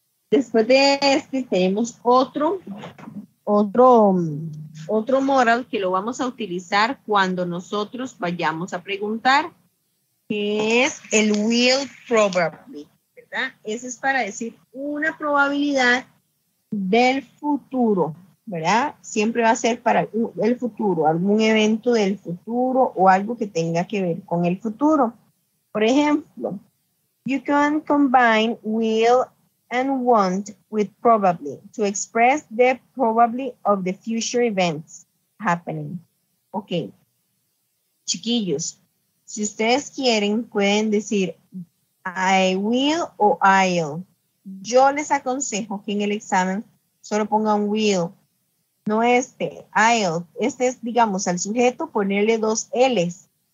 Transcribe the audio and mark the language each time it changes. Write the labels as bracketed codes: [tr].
[es] Después de este tenemos otro modal que lo vamos a utilizar cuando nosotros vayamos a preguntar, que es el will probably, ¿verdad? Ese es para decir una probabilidad del futuro, ¿verdad? Siempre va a ser para el futuro, algún evento del futuro o algo que tenga que ver con el futuro. Por ejemplo, [en] you can combine will and won't with probably to express the probably of the future events happening. Ok. [es] Chiquillos, si ustedes quieren, pueden decir I will o I'll. Yo les aconsejo que en el examen solo pongan will, no este, I'll. Este es, digamos, al sujeto ponerle dos L's.